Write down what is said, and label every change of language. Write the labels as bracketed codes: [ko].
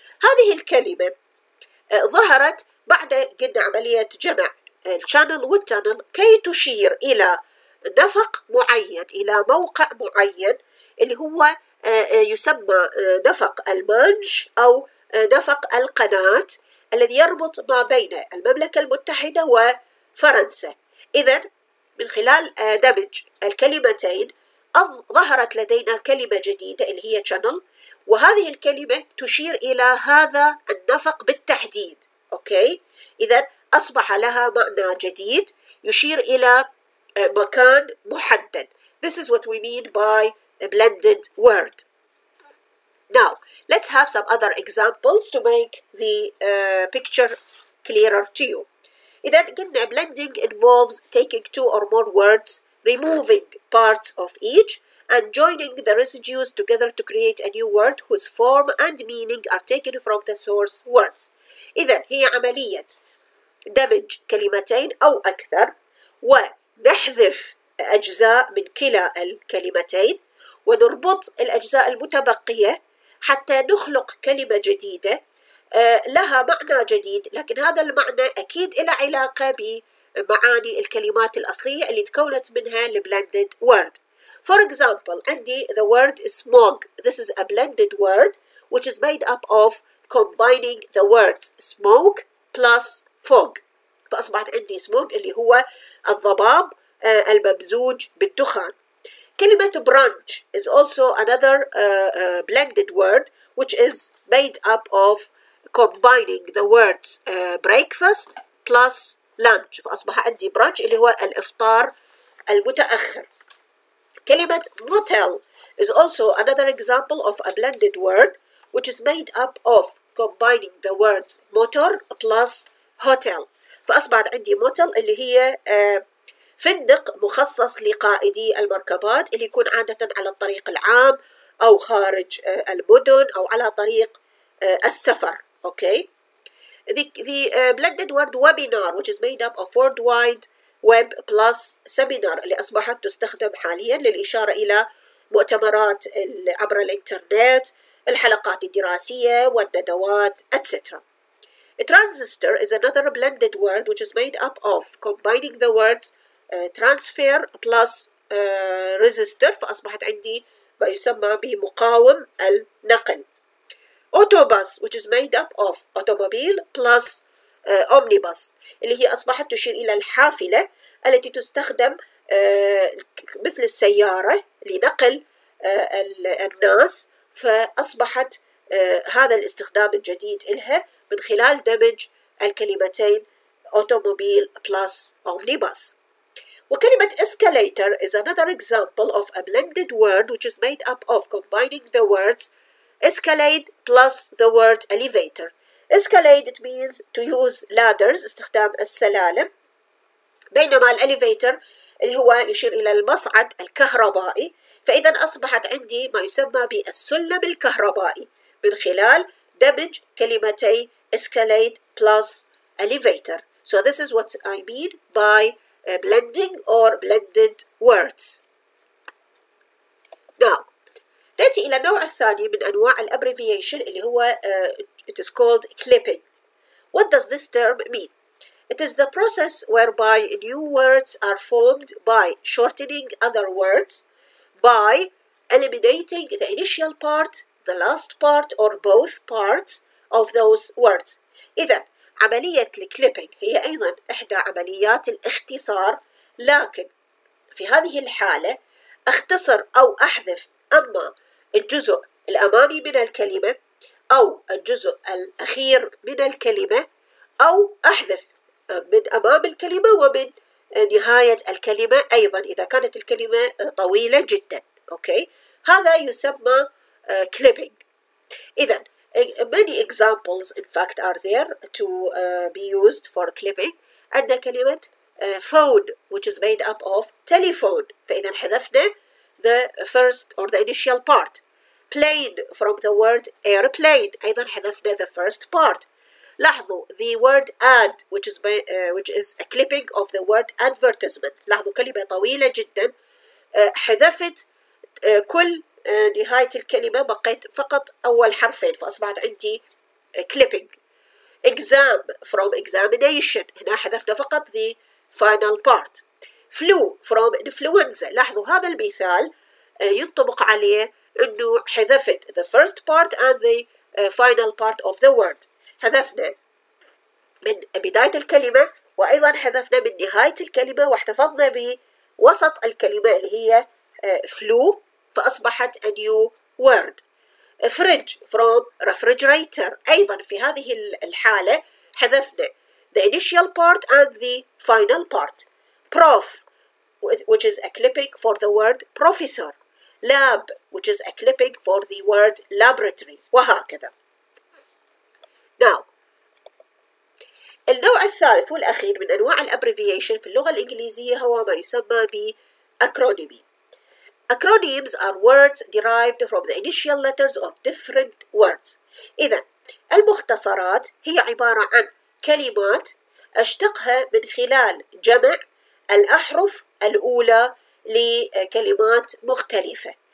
[ar] هذه الكلمة ظهرت بعد قلنا عملية جمع channel والtunnel كي تشير إلى نفق معين، إلى موقع معين اللي هو يسمى نفق المانش أو نفق القناة الذي يربط ما بين المملكة المتحدة وفرنسا. إذن من خلال دمج الكلمتين ظهرت لدينا كلمة جديدة اللي هي channel، وهذه الكلمة تشير إلى هذا النفق بالتحديد. أوكي، إذن أصبح لها معنى جديد يشير إلى مكان محدد. [en] This is what we mean by a blended word. Now, let's have some other examples to make the picture clearer to you. [ar] إذن قلنا [en] blending involves taking two or more words, removing parts of each, and joining the residues together to create a new word whose form and meaning are taken from the source words. [ar] إذن هي عملية دمج كلمتين أو أكثر ونحذف أجزاء من كلا الكلمتين ونربط الأجزاء المتبقية حتى نخلق كلمة جديدة لها معنى جديد، لكن هذا المعنى أكيد إلى علاقة بمعاني الكلمات الأصلية اللي تكونت منها الـ blended word. [en] For example, [ar] عندي [en] the word smog. This is a blended word which is made up of combining the words smoke plus fog. [ar] فأصبحت عندي smog اللي هو الضباب الممزوج بالدخان. [en] كلمة branch is also another blended word which is made up of combining the words breakfast plus lunch. [ar] فأصبح عندي branch اللي هو الإفطار المتأخر. [en] كلمة motel is also another example of a blended word which is made up of combining the words motor plus hotel. [ar] فأصبحت عندي motel اللي هي فندق مخصص لقائدي المركبات اللي يكون عادة على الطريق العام أو خارج المدن أو على طريق السفر. [en] Okay. The blended word webinar which is made up of worldwide web plus seminar [ar] اللي أصبحت تستخدم حاليا للإشارة إلى مؤتمرات عبر الإنترنت، الحلقات الدراسية والندوات [en] etc. Transistor is another blended word which is made up of combining the words transfer plus resistor. [ar] فأصبحت عندي ما يسمى بمقاوم النقل. [en] Autobus which is made up of automobile plus omnibus [ar] اللي هي أصبحت تشير إلى الحافلة التي تستخدم مثل السيارة لنقل الناس. فأصبحت هذا الاستخدام الجديد إلها من خلال دمج الكلمتين [en] automobile plus omnibus. وكلمة escalator is another example of a blended word which is made up of combining the words escalate plus the word elevator. Escalate it means to use ladders, [ar] استخدام السلالم. بينما الـ elevator اللي هو يشير إلى المصعد الكهربائي. فإذا أصبحت عندي ما يسمى بالسلم الكهربائي من خلال دمج كلمتي [en] escalate plus elevator. So this is what I mean by blending or blended words. [ar] Now, نأتي إلى النوع الثاني من أنواع الابريفيشن اللي هو [en] it is called clipping. What does this term mean? It is the process whereby new words are formed by shortening other words by eliminating the initial part, the last part, or both parts of those words. [ar] إذن عملية الكليبينج هي أيضا إحدى عمليات الاختصار، لكن في هذه الحالة أختصر أو أحذف أما الجزء الأمامي من الكلمة أو الجزء الأخير من الكلمة أو أحذف من أمام الكلمة ومن نهاية الكلمة أيضا إذا كانت الكلمة طويلة جدا. أوكي، هذا يسمى كليبينج. إذن [en] many examples, in fact, are there to be used for clipping. And the [ar] كلمة [en] phone, which is made up of telephone. [ar] فإذا حذفنا [en] the first or the initial part. Plane from the word airplane. [ar] أيضا حذفنا [en] the first part. [ar] لاحظوا [en] the word ad, which is a clipping of the word advertisement. [ar] لاحظوا كلمة طويلة جدا. حذفت كل نهاية الكلمة، بقيت فقط أول حرفين، فأصبحت عندي clipping. [en] Exam from examination، [ar] هنا حذفنا فقط [en] the final part. Flu from influenza، [ar] لاحظوا هذا المثال ينطبق عليه أنه حذفت [en] the first part and the final part of the word. [ar] حذفنا من بداية الكلمة وأيضا حذفنا من نهاية الكلمة واحتفظنا بوسط الكلمة اللي هي [en] flu [ar] فأصبحت [en] a new word. Fridge from refrigerator. [ar] أيضا في هذه الحالة حذفنا [en] the initial part and the final part. Prof, which is eclipic for the word professor. Lab, which is eclipic for the word laboratory. [ar] وهكذا. Now, النوع الثالث والأخير من أنواع الأبريفيشن في اللغة الإنجليزية هو ما يسمى بأكرونيمي. [en] Acronyms are words derived from the initial letters of different words. [ar] إذا المختصرات هي عبارة عن كلمات أشتقها من خلال جمع الأحرف الأولى لكلمات مختلفة.